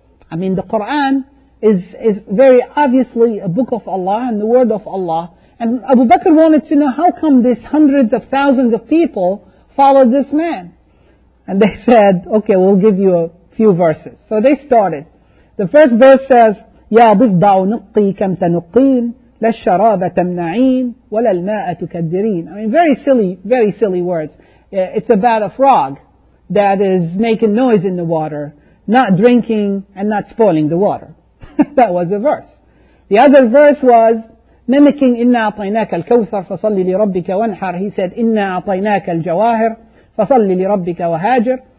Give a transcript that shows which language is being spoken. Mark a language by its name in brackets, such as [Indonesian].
[English] I mean, the Qur'an is very obviously a book of Allah and the word of Allah. And Abu Bakr wanted to know how come these hundreds of thousands of people followed this man. And they said, okay, we'll give you a few verses. So they started. The first verse says, [Arabic] يَا ضِفْدَعُ نُقِّي كَمْ تَنُقِّينَ لَا الشَّرَابَ تَمْنَعِينَ وَلَا الْمَاءَ تُكَدِّرِينَ. [English] I mean, very silly words. It's about a frog that is making noise in the water, not drinking and not spoiling the water. That was a verse. The other verse was mimicking [Arabic] Inna Atainaka al-Kawthar fasalli li rabbika wanhar. [English] He said, [Arabic] Inna Atainaka al-Jawahir fasalli li rabbika wahajir.